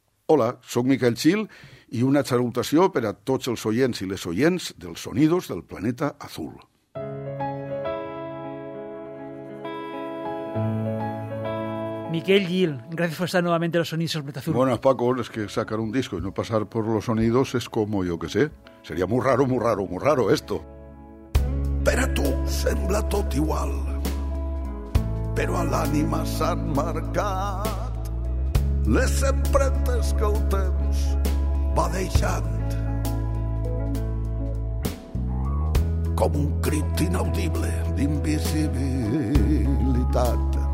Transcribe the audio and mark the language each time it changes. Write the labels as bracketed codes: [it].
[ca] Hola, sóc Miquel Xil i una salutació per a tots els oients i les oients dels Sonidos del Planeta Azul. [es] Miquel Xil, gracias por estar nuevamente en los Sonidos del Planeta Azul. Bueno, Paco, es que sacar un disco y no pasar por los sonidos es como, yo qué sé, sería muy raro esto. [ca] Per a tu sembla tot igual, però a l'ànima s'han marcat les empremtes que el temps va deixant. Com un crit inaudible d'invisibilitat.